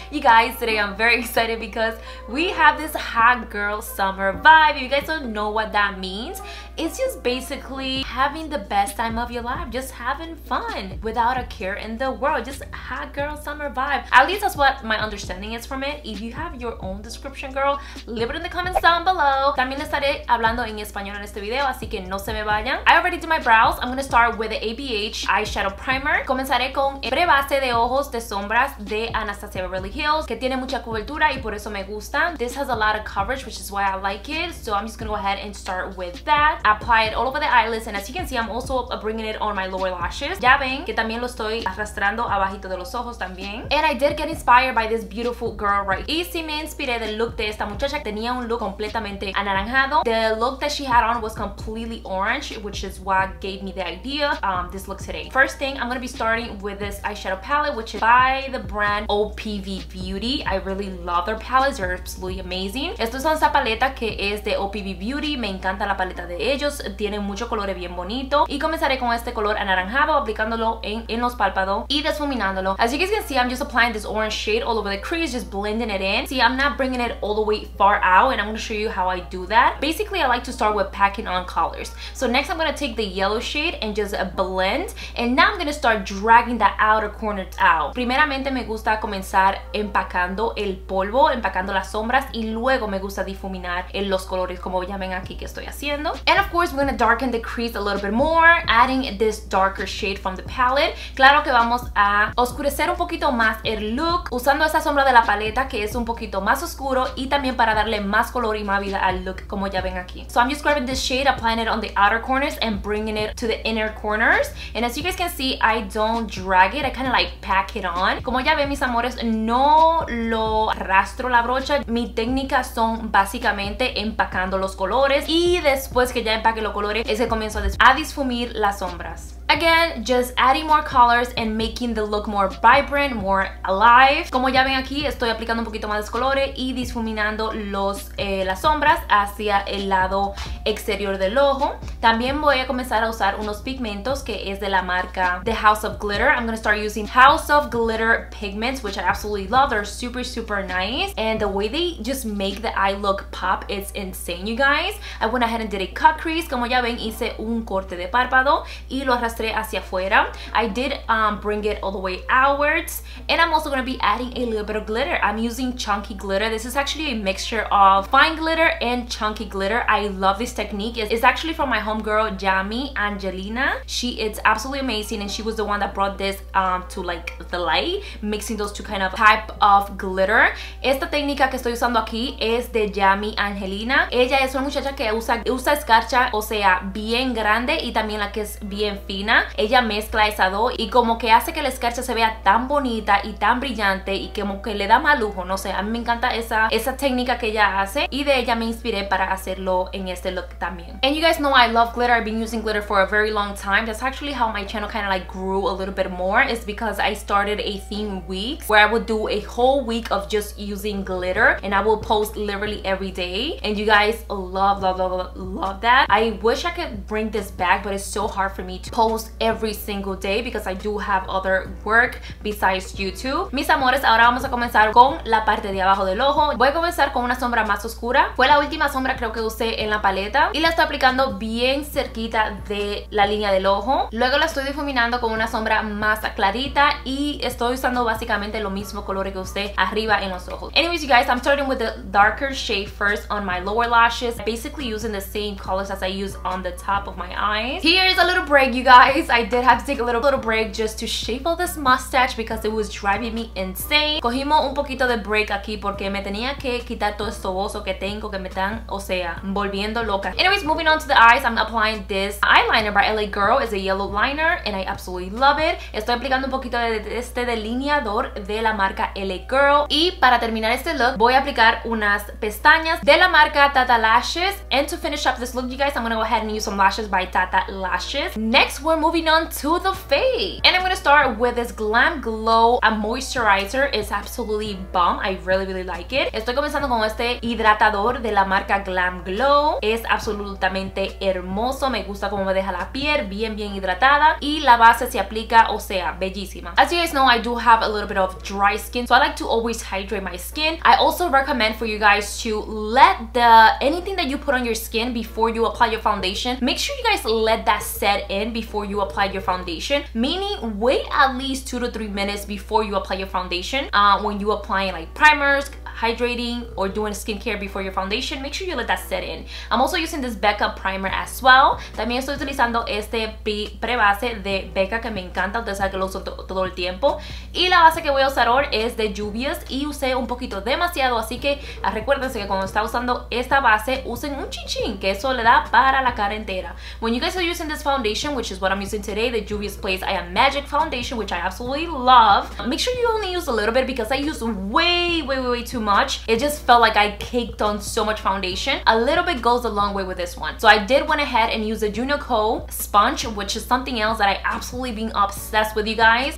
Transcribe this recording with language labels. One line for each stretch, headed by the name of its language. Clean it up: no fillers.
English: You guys, today I'm very excited because we have this hot girl summer vibe. If you guys don't know what that means, it's just basically having the best time of your life, just having fun without a care in the world, just hot girl summer vibe. At least that's what my understanding is from it. If you have your own description, girl, leave it in the comments down below.
Spanish: También estaré hablando en español en este video, así que no se me vayan.
English: I already did my brows. I'm gonna start with the ABH eyeshadow primer. Comenzaré con el prebase de ojos de sombras de Anastasia Beverly Hills, que tiene mucha cobertura y por eso me gusta. This has a lot of coverage, which is why I like it. So I'm just gonna go ahead and start with that. Apply it all over the eyelids, and as you can see, I'm also bringing it on my lower lashes.
Spanish: Ya ven que también lo estoy arrastrando abajito de los ojos también.
English: And I did get inspired by this beautiful girl right here.
Spanish: Y sí me inspiré del look de esta muchacha. Tenía un look completamente anaranjado.
English: The look that she had on was completely orange, which is what gave me the idea this look today. First thing, I'm gonna be starting with this eyeshadow palette, which is by the brand OPV Beauty. I really love their palettes, they're absolutely amazing.
Spanish: Esto es esa paleta que es de OPV Beauty. Me encanta la paleta de ellos, tienen muchos colores bien bonitos. Y comenzaré con este color anaranjado, aplicándolo en los párpados y desfuminándolo.
English: As you guys can see, I'm just applying this orange shade all over the crease, just blending it in. See, I'm not bringing it all the way far out, and I'm gonna show you how I do that. Basically, I like to start with packing on colors. So next, I'm gonna take the yellow shade and just blend, and now I'm gonna start dragging the outer corners out.
Spanish: Primeramente me gusta comenzar empacando el polvo, empacando las sombras, y luego me gusta difuminar en los colores, como ya ven aquí que estoy haciendo.
English: And of course we're gonna darken the crease a little bit more, adding this darker shade from the palette.
Spanish: Claro que vamos a oscurecer un poquito más el look usando esa sombra de la paleta que es un poquito más oscuro, y también para darle más color y más vida al look, como ya ven aquí.
English: So I'm just grabbing this shade, applying it on the outer corners and bringing it to the inner corners, and as you guys can see, I don't drag it, I kind of like pack it on.
Spanish: Como ya ven, mis amores, no lo arrastro la brocha. Mi técnica son básicamente empacando los colores, y después que ya empaque los colores es que comienzo a difuminar las sombras.
English: Again, just adding more colors and making the look more vibrant, more alive.
Spanish: Como ya ven aquí, estoy aplicando un poquito más de colores y difuminando los las sombras hacia el lado exterior del ojo. También voy a comenzar a usar unos pigmentos que es de la marca The House of Glitter.
English: I'm gonna start using House of Glitter pigments, which I absolutely love. They're super, super nice. And the way they just make the eye look pop is insane, you guys. I went ahead and did a cut crease.
Spanish: Como ya ven, hice un corte de párpado y lo arrastré hacia afuera.
English: I did bring it all the way outwards. And I'm also gonna be adding a little bit of glitter. I'm using chunky glitter. This is actually a mixture of fine glitter and chunky glitter. I love this technique. It's actually from my homegirl Yami Angelina. She is absolutely amazing, and she was the one that brought this to like the light, mixing those two kind of type of glitter.
Spanish: Esta técnica que estoy usando aquí es de Yami Angelina. Ella es una muchacha que usa escarcha, o sea, bien grande, y también la que es bien fina. Ella mezcla esa dos y como que hace que la escarcha se vea tan bonita y tan brillante, y como que le da más lujo. No sé, a mí me encanta esa técnica que ella hace, y de ella me inspiré para hacerlo en este look también.
English: And you guys know I love glitter. I've been using glitter for a very long time. That's actually how my channel kind of like grew a little bit more. It's because I started a theme week where I would do a whole week of just using glitter, and I will post literally every day, and you guys love, love, love, love, love that. I wish I could bring this back, but it's so hard for me to post every single day because I do have other work besides YouTube.
Spanish: Mis amores, ahora vamos a comenzar con la parte de abajo del ojo. Voy a comenzar con una sombra más oscura. Fue la última sombra creo que usé en la paleta, y la estoy aplicando bien cerquita de la línea del ojo. Luego la estoy difuminando con una sombra más clarita, y estoy usando básicamente los mismos colores que usé arriba en los ojos.
English: Anyways, you guys, I'm starting with the darker shade first on my lower lashes, basically using the same colors as I use on the top of my eyes. Here's a little break, you guys. I did have to take a little break just to shape all this mustache because it was driving me insane.
Spanish: Cogimos un poquito de break aquí porque me tenía que quitar todo esto bozo que tengo, que me están, o sea, volviendo loca.
English: Anyways, moving on to the eyes, I'm applying this eyeliner by LA Girl. It's a yellow liner and I absolutely love it.
Spanish: Estoy aplicando un poquito de este delineador de la marca LA Girl. Y para terminar este look, voy a aplicar unas pestañas de la marca Tata Lashes.
English: And to finish up this look, you guys, I'm gonna go ahead and use some lashes by Tata Lashes. Next we're moving on to the face. And I'm gonna start with this Glam Glow Moisturizer. It's absolutely bomb. I really, really like it.
Spanish: Estoy comenzando con este hidratador de la marca Glam Glow. Es absolutamente hermoso. Me gusta cómo me deja la piel bien, bien hidratada. Y la base se aplica, o sea, bellísima.
English: As you guys know, I do have a little bit of dry skin, so I like to always hydrate my skin. I also recommend for you guys to let anything that you put on your skin before you apply your foundation, make sure you guys let that set in before you apply your foundation. Meaning, wait at least 2 to 3 minutes before you apply your foundation. When you applying like primers, hydrating, or doing skincare before your foundation, make sure you let that set in. I'm also using this Becca primer as well.
Spanish: También estoy utilizando este prebase de Becca que me encanta. Ustedes saben que lo uso todo el tiempo. Y la base que voy a usar ahora es de Juvia's y usé un poquito demasiado. Así que recuérdense que cuando está usando esta base, usen un chinchín, que eso le da para la cara entera.
English: When you guys are using this foundation, which is what I'm using today, the Juvia's Place I Am Magic Foundation, which I absolutely love, make sure you only use a little bit because I use way too much. It just felt like I caked on so much foundation. A little bit goes a long way with this one. So I did went ahead and use a Junico sponge, which is something else that I absolutely been obsessed with, you guys.